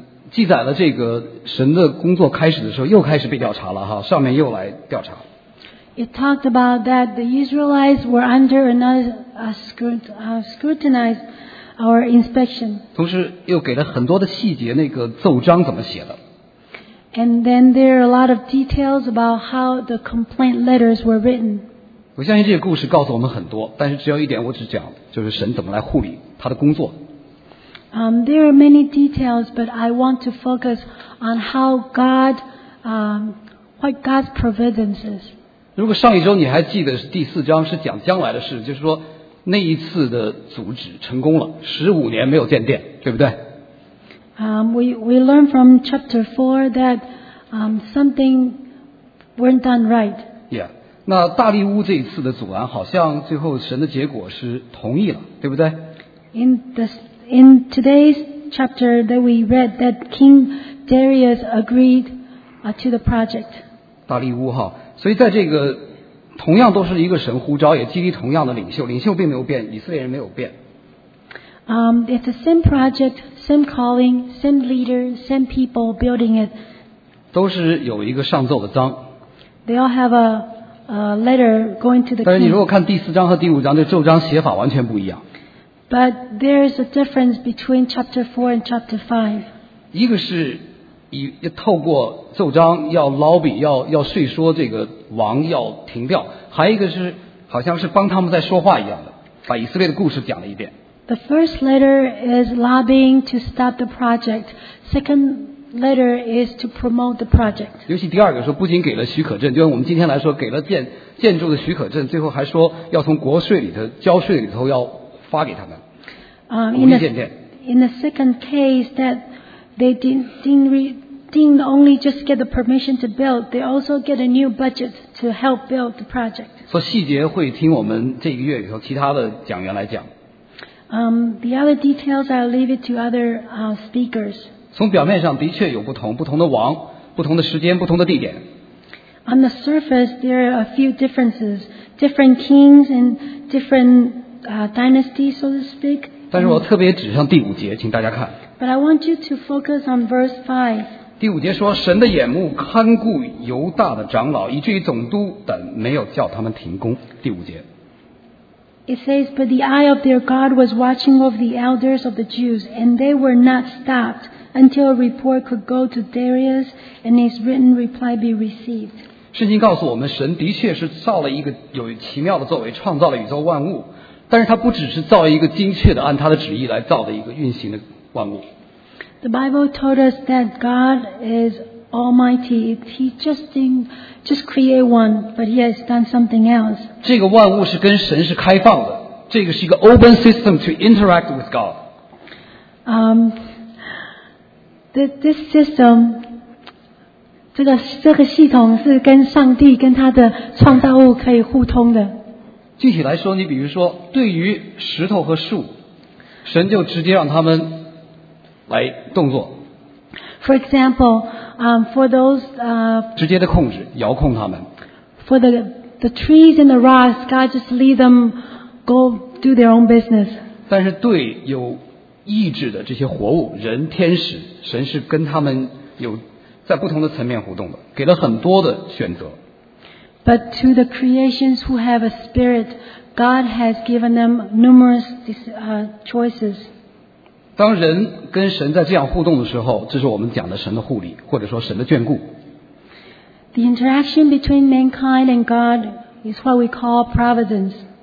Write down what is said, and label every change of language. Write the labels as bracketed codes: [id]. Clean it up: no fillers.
[zh] 记载了这个神的工作开始的时候又开始被调查了哈，上面又来调查 [en] It talked about that the Israelites were under scrutinized our inspection [zh] 同时又给了很多的细节那个奏章怎么写的 [en] And then there are a lot of details about how the complaint letters were written. [zh] 我相信这个故事告诉我们很多，但是只有一点我只讲，就是神怎么来护理他的工作。 [en] There are many details, but I want to focus on how God, what God's providence is. [zh] 如果上一周你还记得是第四章是讲将来的事，就是说那一次的阻止成功了，十五年没有建殿，对不对？ [en] We learn from chapter 4 that something weren't done right. Yeah. [zh] 那大利乌这一次的阻拦好像最后神的结果是同意了，对不对？ [en] In today's chapter that we read that King Darius agreed to the project. [zh] 大利乌哈，所以在这个同样都是一个神呼召，也激励同样的领袖，领袖并没有变，以色列人没有变。 [en] It's the same project, same calling, same leader, same people building it. [zh] 都是有一个上奏的章。 [en] They all have a letter going to the king. [zh] 但是你如果看第四章和第五章，这奏章写法完全不一样。 [en] But there is a difference between chapter 4 and chapter 5. [zh] 一个是透过奏章要捞比要说服这个王要停掉，还有一个是好像是帮他们在说话一样的，把以色列的故事讲了一遍。 [en] The first letter is lobbying to stop the project. Second letter is to promote the project. [zh] 尤其第二个说，不仅给了许可证，就像我们今天来说，给了建筑的许可证，最后还说要从国税里头交税里头要发给他们，鼓励建殿。 [en] In the second case that they didn't only just get the permission to build, they also get a new budget to help build the project. [zh] 所以细节会听我们这个月里头其他的讲员来讲。 [en] The other details I'll leave it to other speakers. [zh] 从表面上的确有不同，不同的王，不同的时间，不同的地点。 [en] On the surface, there are a few differences, different kings and different dynasties, so to speak. [zh] 但是我特别指向第五节，请大家看。 [en] But I want you to focus on verse 5. [zh] 第五节说，神的眼目看顾犹大的长老，以至于总督等没有叫他们停工。第五节。 [en] It says, but the eye of their God was watching over the elders of the Jews, and they were not stopped until a report could go to Darius and his written reply be received. [zh] 圣经告诉我们，神的确是造了一个有奇妙的作为，创造了宇宙万物，但是他不只是造一个精确的按他的旨意来造的一个运行的万物。 [en] The Bible told us that God is Almighty, he just create one, but he has done something else. [zh] 这个万物是跟神是开放的，这个是一个 [en] open system to interact with God. This system, [zh] 这个系统是跟上帝跟他的创造物可以互通的。具体来说，你比如说，对于石头和树，神就直接让他们来动作。 [en] For example, for those [zh] 直接的控制，遥控他们。 [en] For the trees and the rocks, God just leave them go do their own business. [zh] 但是对有意志的这些活物，人、天使，神是跟他们有在不同的层面互动的，给了很多的选择。 [en] But to the creations who have a spirit, God has given them numerous choices. [zh] 当人跟神在这样互动的时候，这是我们讲的神的护理，或者说神的眷顾。 [en] The interaction between mankind and God is what we call providence.